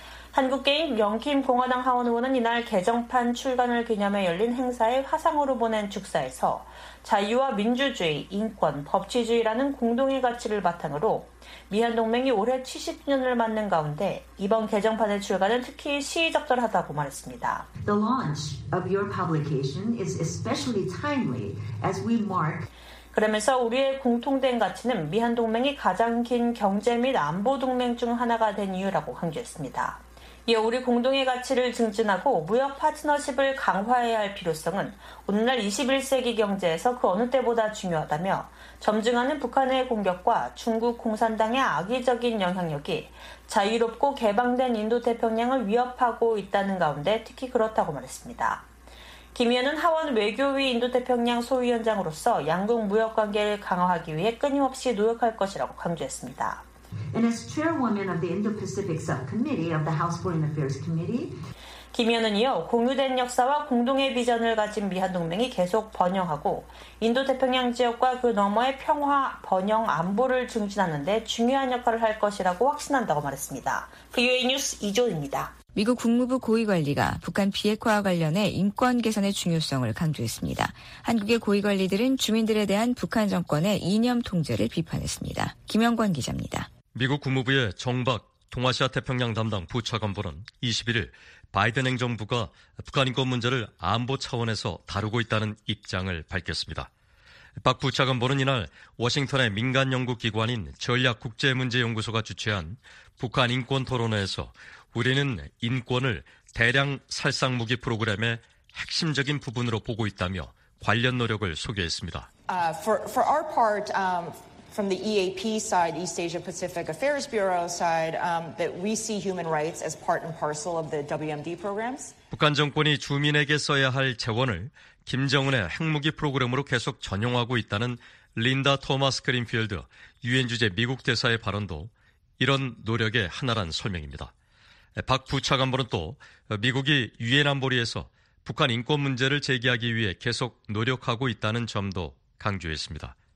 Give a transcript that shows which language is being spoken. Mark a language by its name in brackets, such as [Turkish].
[Korean] 한국계인 명킴 공화당 하원 의원은 이날 개정판 출간을 기념해 열린 행사에 화상으로 보낸 축사에서 자유와 민주주의, 인권, 법치주의라는 공동의 가치를 바탕으로 미한 동맹이 올해 70주년을 맞는 가운데 이번 개정판의 출간은 특히 시의적절하다고 말했습니다. [English] The launch of your publication is especially timely as we mark [Korean] 그러면서 우리의 공통된 가치는 미한 동맹이 가장 긴 경제 및 안보 동맹 중 하나가 된 이유라고 강조했습니다. 이어 우리 공동의 가치를 증진하고 무역 파트너십을 강화해야 할 필요성은 오늘날 21세기 경제에서 그 어느 때보다 중요하다며 점증하는 북한의 공격과 중국 공산당의 악의적인 영향력이 자유롭고 개방된 인도태평양을 위협하고 있다는 가운데 특히 그렇다고 말했습니다. 김 의원은 하원 외교위 인도태평양 소위원장으로서 양국 무역관계를 강화하기 위해 끊임없이 노력할 것이라고 강조했습니다. [English] And as chairwoman of the Indo-Pacific Subcommittee of the House Foreign Affairs Committee, [Korean] 김 의원은 이어 공유된 역사와 공동의 비전을 가진 미한 동맹이 계속 번영하고 인도태평양 지역과 그 너머의 평화, 번영, 안보를 증진하는 데 중요한 역할을 할 것이라고 확신한다고 말했습니다. VOA 뉴스 이조은입니다. 미국 국무부 고위관리가 북한 비핵화와 관련해 인권 개선의 중요성을 강조했습니다. 한국의 고위관리들은 주민들에 대한 북한 정권의 이념 통제를 비판했습니다. 김영권 기자입니다. 미국 국무부의 정박 동아시아 태평양 담당 부차관보는 21일 바이든 행정부가 북한 인권 문제를 안보 차원에서 다루고 있다는 입장을 밝혔습니다. 박 부차관보는 이날 워싱턴의 민간 연구기관인 전략국제문제연구소가 주최한 북한 인권 토론회에서 우리는 인권을 대량 살상무기 프로그램의 핵심적인 부분으로 보고 있다며 관련 노력을 소개했습니다. [English] For our part, from the EAP side, East Asia Pacific Affairs Bureau side, that we see human rights as part and parcel of the WMD programs. [Korean] 북한 정권이 주민에게 써야 할 재원을 김정은의 핵무기 프로그램으로 계속 전용하고 있다는 린다 토마스 그린필드 유엔 주재 미국 대사의 발언도 이런 노력의 하나란 설명입니다. 박 부차관보는 또 미국이 유엔 안보리에서 북한 인권 문제를 제기하기 위해 계속 노력하고 있다는 점도 강조했습니다.